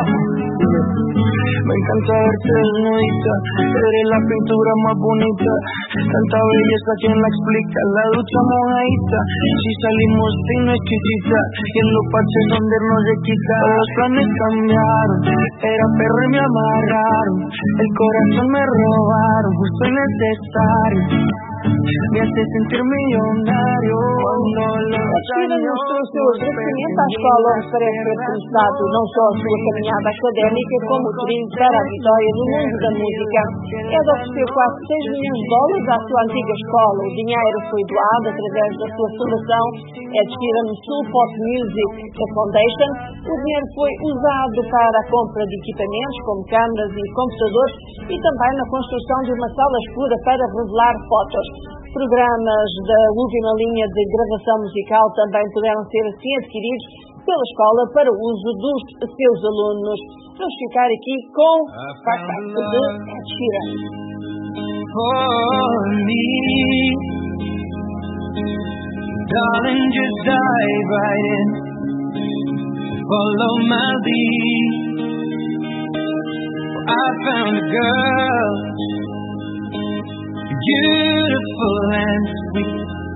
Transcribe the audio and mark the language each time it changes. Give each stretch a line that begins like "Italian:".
Spanish: Me encanta verte desnudita, eres la pintura más bonita, tanta belleza quien la explica, la ducha mojadita, si salimos sin exquisita, y en los parches donde no se quita, los planes cambiaron, era perro y me amarraron, el corazón me robaron, justo y necesario. Me hace sentir millonario.
Portuguese: Cristina mostrou o seu agradecimento à escola para ter representado não só a sua caminhada académica, como o trilho para a vitória no mundo da música. Ela ofereceu quase 6 milhões de dólares à sua antiga escola. O dinheiro foi doado através da sua fundação, é de Kira Mussul Pop Music Foundation. O dinheiro foi usado para a compra de equipamentos, como câmaras e computadores, e também na construção de uma sala escura para revelar fotos. Programas da última linha de gravação musical também puderam ser assim adquiridos pela escola para o uso dos seus alunos. Vamos ficar aqui com Fantástico de Ed Sheeran.
English: For me, darling, just dive right in, follow my lead. I found a girl, beautiful and sweet.